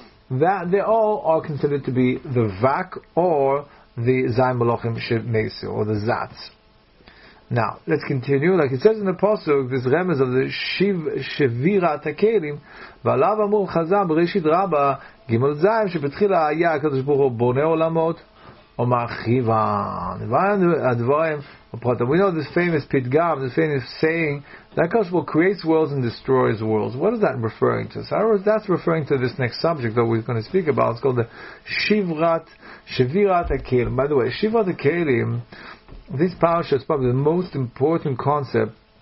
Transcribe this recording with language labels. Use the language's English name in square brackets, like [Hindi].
[English] That they all are considered to be the Vak or the Zayin Malachim Shemesu or the Zatz. Now, let's continue. Like it says in the Pasuk, this remez of the Shivira Takelim, [Hebrew] V'alav Amur Chazam Reshit Rabba Gimel Zayim שבתחילה היה הקדוש ברוך הוא בונה עולמות או מרחיבן. והדברים, הפרט, [English] we know this famous pitgam, this famous saying that Hakadosh Baruch Hu creates worlds and destroys worlds. What is that referring to? So that's referring to this next subject that we're going to speak about. It's called the Shivrat HaKelim. By the way, Shivrat HaKelim, this parasha is probably the most important concept.